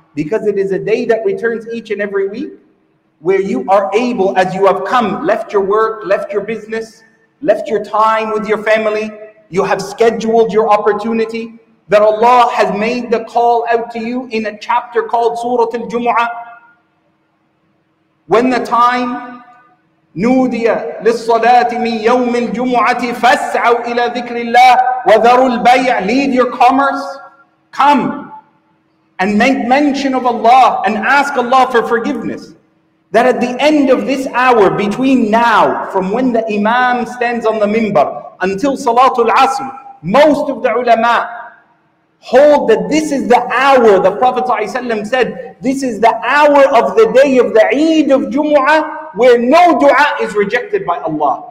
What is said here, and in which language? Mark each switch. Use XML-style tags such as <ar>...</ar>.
<en>Because it is a day that returns each and every week, where you are able, as you have come, left your work, left your business, left your time with your family, you have scheduled your opportunity, that Allah has made the call out to you in a chapter called Surah Al-Jumu'ah. When the time,</en> <ar>نُودِيَ لِلصَّلَاةِ مِنْ يَوْمِ الْجُمُعَةِ فَاسْعَوْا إِلَى ذِكْرِ اللَّهِ وَذَرُوا الْبَيْعِ.</ar> <en>Lead your commerce. Come and make mention of Allah and ask Allah for forgiveness. That at the end of this hour, between now, from when the Imam stands on the minbar until Salatul Asr, most of the ulama hold that this is the hour, the Prophet ﷺ said, this is the hour of the day of the Eid of Jumu'ah, where no dua is rejected by Allah.</en>